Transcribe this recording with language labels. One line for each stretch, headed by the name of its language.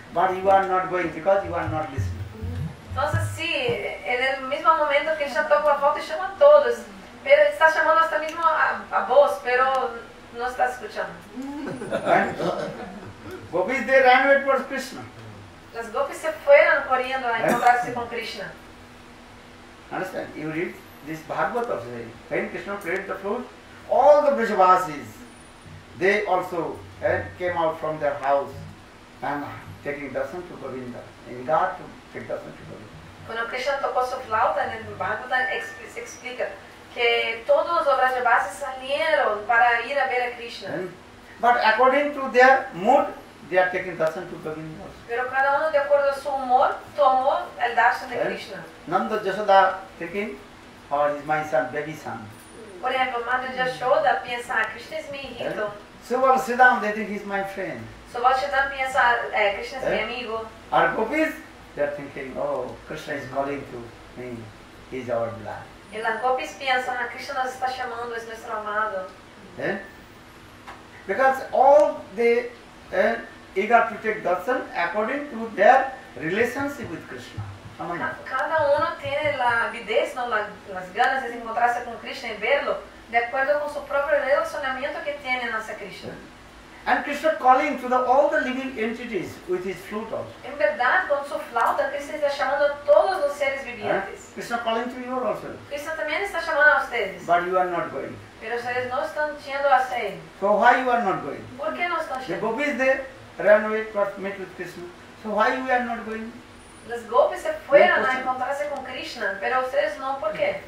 English: But you are not going because you are not listening.
Spanish: Entonces sí, en el mismo momento que Krishna toca la flauta y llama a todos, pero está llamando hasta mismo a vos, pero no está escuchando.
English: Gopis they ran away towards Krishna.
Spanish: Las gopis se fueron corriendo a encontrarse con Krishna.
English: Understand? You read this Bhagavata also. When Krishna played the flute, all the Vrijavasis, they also came out from their house and taking darshan to Govinda. In God to take darshan to Govinda.
Spanish: Cuando Krishna tocó su flauta, en el Bhagavata se explica que todos los Vrijavasis salieron para ir a ver a Krishna.
English: But according to their mood, they are taking darshan to Govinda also.
Spanish: Pero cada uno de acuerdo a su humor, tomó el darshan de Krishna.
English: Nanda Yashoda thinking, or is my son, baby son.
Spanish: Por ejemplo, Madre Yashoda piensa, Krishna es mi hijito.
English: Subal Siddham, they think he's my friend.
Spanish: Subal Siddham piensa, Krishna es mi amigo.
English: Our gopis, they are thinking, oh, Krishna is calling to me, he's our beloved.
Spanish: Y las gopis piensan, ah, Krishna nos está llamando, es nuestro amado.
English: Because all they eager to take darshan according to their relationship with Krishna.
Spanish: Cada uno tiene la avidez, no, las ganas de encontrarse con Krishna y verlo de acuerdo con su propio relacionamiento que tiene hacia Krishna.
English: And Krishna calling to all the living entities with his flute also.
Spanish: En verdad, con su flauta, Krishna está llamando a todos los seres vivientes.
English: Krishna calling to you also.
Spanish: Krishna también está llamando a ustedes.
English: But you are not going.
Spanish: Pero ustedes no están yendo a él.
English: So why you are not going?
Spanish: ¿Por qué no están yendo?
English: The gopis they ran away to meet with Krishna. So why you are not going?
Spanish: Las gopis se fueron a encontrarse con Krishna, pero ustedes no, ¿por qué?